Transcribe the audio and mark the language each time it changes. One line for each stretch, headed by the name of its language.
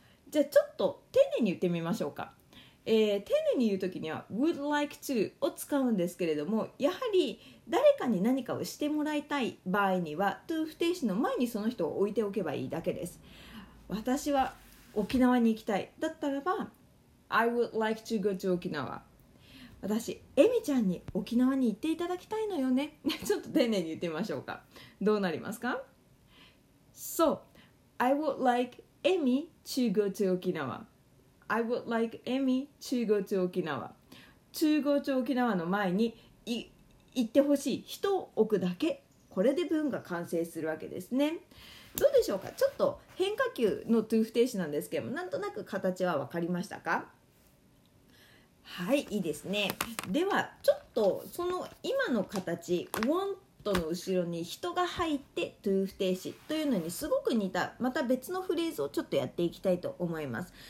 Japanese: じゃあちょっと丁寧に言ってみましょうか。丁寧に言うときには would like to を使うんですけれども、やはり誰かに何かをしてもらいたい場合には to 不定詞の前にその人を置いておけばいいだけです。私は沖縄に行きたいだったらば
English: I would like to go to 沖縄、
Japanese: 私エミちゃんに沖縄に行っていただきたいのよねちょっと丁寧に言ってみましょうか。どうなりますか。
English: So I would like Emmy to go to 沖縄、I would like Emmy to go to 沖縄。 to go to 沖縄
Japanese: の前に行ってほしい人を置くだけ。これで文が完成するわけですね。どうでしょうか。ちょっと変化球の to 不定詞なんですけども、なんとなく形は分かりましたか。はい、いいですね。ではちょっとその今の形 want の後ろに人が入って to 不定詞というのにすごく似たまた別のフレーズをちょっとやっていきたいと思います。